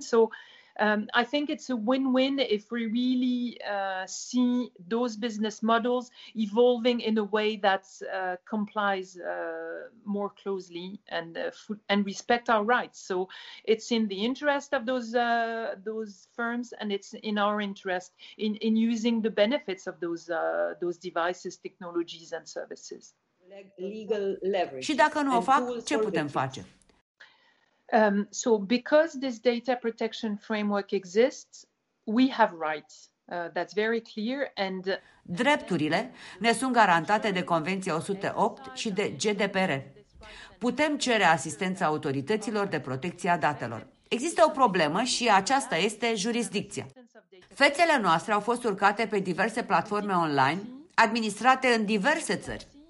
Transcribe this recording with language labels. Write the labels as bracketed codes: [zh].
[en] So I think it's a win-win if we really see those business models evolving in a way that complies more closely and respect our rights. So it's in the interest of those firms, and it's in our interest in using the benefits of those devices, technologies and services. Legal leverage. [ro] Și dacă nu o fac, ce putem face? [en] So because this data protection framework exists, we have rights. That's very clear. And [ro] drepturile ne sunt garantate de Convenția 108 și de GDPR. Putem cere asistența autorităților de protecție a datelor. Există o problemă și aceasta este jurisdicția. Fețele noastre au fost urcate pe diverse platforme online, administrate în diverse țări.